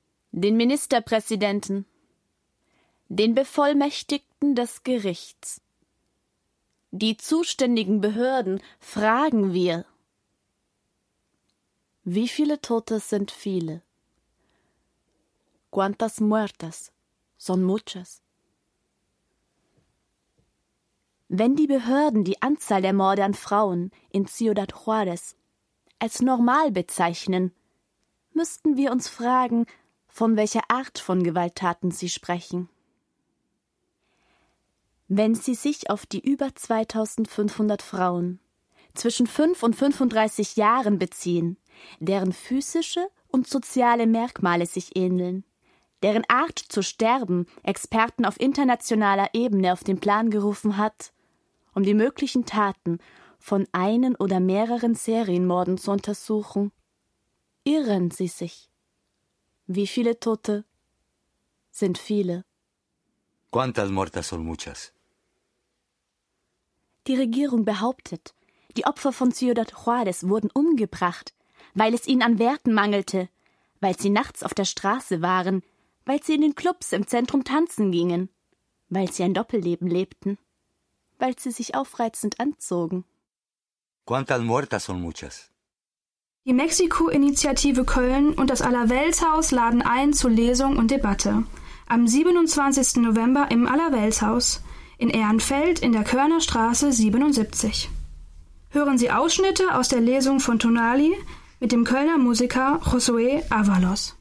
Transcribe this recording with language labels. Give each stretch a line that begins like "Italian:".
German: Den Ministerpräsidenten, den Bevollmächtigten des Gerichts, die zuständigen Behörden fragen wir, wie viele Tote sind viele?
Spanish: ¿Cuántas muertas son muchas?
German: Wenn die Behörden die Anzahl der Morde an Frauen in Ciudad Juárez als normal bezeichnen, müssten wir uns fragen, von welcher Art von Gewalttaten Sie sprechen. Wenn Sie sich auf die über 2500 Frauen zwischen 5 und 35 Jahren beziehen, deren physische und soziale Merkmale sich ähneln, deren Art zu sterben Experten auf internationaler Ebene auf den Plan gerufen hat, um die möglichen Taten von einem oder mehreren Serienmorden zu untersuchen, irren Sie sich. Wie viele Tote sind viele?
Spanish: ¿Cuántas muertas son muchas?
German: Die Regierung behauptet, die Opfer von Ciudad Juárez wurden umgebracht, weil es ihnen an Werten mangelte, weil sie nachts auf der Straße waren, weil sie in den Clubs im Zentrum tanzen gingen, weil sie ein Doppelleben lebten, weil sie sich aufreizend anzogen.
Spanish: ¿Cuántas muertas son muchas?
German: Die Mexiko-Initiative Köln und das Allerweltshaus laden ein zu Lesung und Debatte. Am 27. November im Allerweltshaus in Ehrenfeld in der Körnerstraße 77. Hören Sie Ausschnitte aus der Lesung von Tonali mit dem Kölner Musiker Josué Ávalos.